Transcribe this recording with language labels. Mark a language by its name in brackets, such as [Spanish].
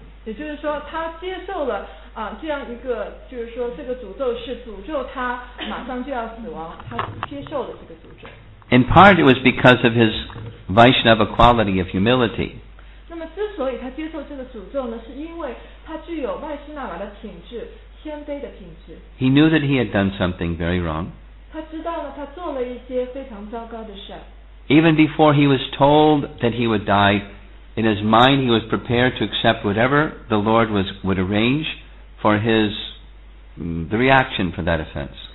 [Chinese] 也就是说他接受了这个诅咒是诅咒他马上就要死亡他接受了这个诅咒 [English] In part it was because of his Vaishnava quality of humility. [Chinese] 那么之所以他接受这个诅咒呢是因为他具有麦西纳瓦的品质谦卑的品质 [English] He knew that he had done something very wrong. [Chinese] 他知道了他做了一些非常糟糕的事 [English] Even before he was told that he would die, in his mind he was prepared to accept whatever the Lord would arrange for his the reaction for that offense.